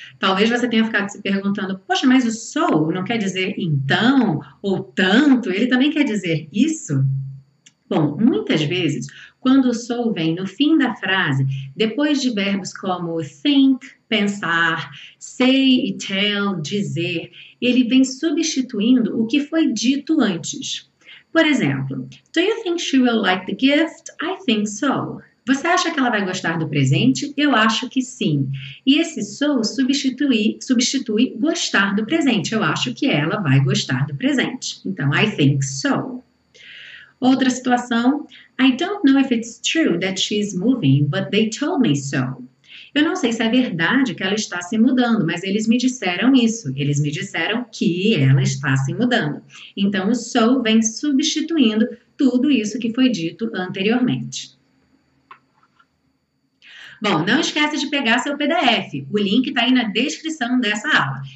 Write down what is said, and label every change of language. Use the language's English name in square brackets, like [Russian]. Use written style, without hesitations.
[Portuguese] Talvez você tenha ficado se perguntando, poxa, mas o so não quer dizer então ou tanto, ele também quer dizer isso? Bom, muitas vezes, quando o so vem no fim da frase, depois de verbos como think, pensar, say e tell, dizer, ele vem substituindo o que foi dito antes. Por exemplo, [English] do you think she will like the gift? I think so. [Portuguese] Você acha que ela vai gostar do presente? Eu acho que sim. E esse so substitui gostar do presente. Eu acho que ela vai gostar do presente. [English] Então, I think so. [Portuguese] Outra situação, [English] I don't know if it's true that she's moving, but they told me so. [Portuguese] Eu não sei se é verdade que ela está se mudando, mas eles me disseram isso. Eles me disseram que ela está se mudando. Então, o so vem substituindo tudo isso que foi dito anteriormente. Bom, não esquece de pegar seu PDF. O link está aí na descrição dessa aula.